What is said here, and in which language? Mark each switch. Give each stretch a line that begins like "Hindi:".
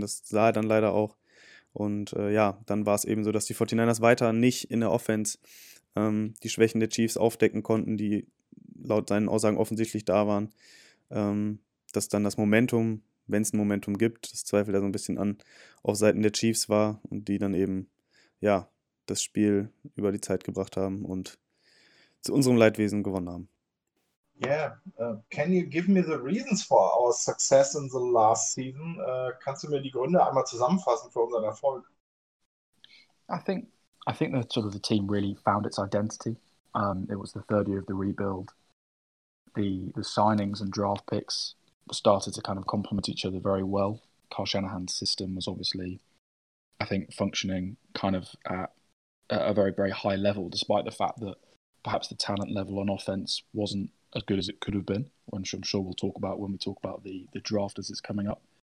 German: Das sah er dann leider auch. Und dann war es eben so, dass die 49ers weiter nicht in der Offense die Schwächen der Chiefs aufdecken konnten, die laut seinen Aussagen offensichtlich da waren, dass dann das Momentum, wenn es ein Momentum gibt, das zweifelt er so ein bisschen an, auf Seiten der Chiefs war, und die dann eben das Spiel über die Zeit gebracht haben und zu unserem Leidwesen gewonnen haben.
English: Yeah, can you give me the reasons for our success in the last season?
German: Kannst du mir die Gründe einmal zusammenfassen für unseren Erfolg?
English: I think that sort of the team really found its identity. It was the third year of the rebuild. The signings and draft picks started to kind of complement each other very well. Kyle Shanahan's system was obviously, I think, functioning kind of at a very, very high level, despite the fact that perhaps the talent level on offense wasn't as good as it could have been, which I'm sure we'll talk about when we talk about the draft as it's coming up.